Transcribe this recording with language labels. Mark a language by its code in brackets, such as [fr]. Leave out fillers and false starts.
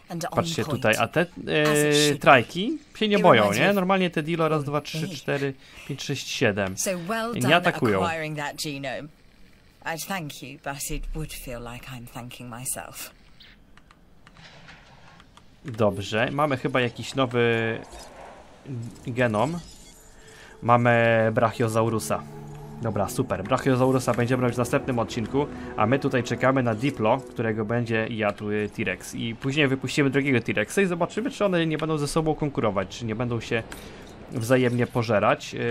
[pl] Patrzcie tutaj, a te trajki się nie boją, nie? Normalnie te Dilo raz, dwa, trzy, cztery, pięć, sześć, siedem. [en] So well done, [pl] nie atakują. [en] Acquiring that genome. I'd thank you, but it would feel like I'm thanking myself. [pl] Dobrze, mamy chyba jakiś nowy genom. Mamy Brachiosaurusa. Dobra, super. Brachiozaurusa będziemy robić w następnym odcinku, a my tutaj czekamy na Diplo, którego będzie jadł T-Rex. I później wypuścimy drugiego T-Rexa i zobaczymy, czy one nie będą ze sobą konkurować, czy nie będą się wzajemnie pożerać.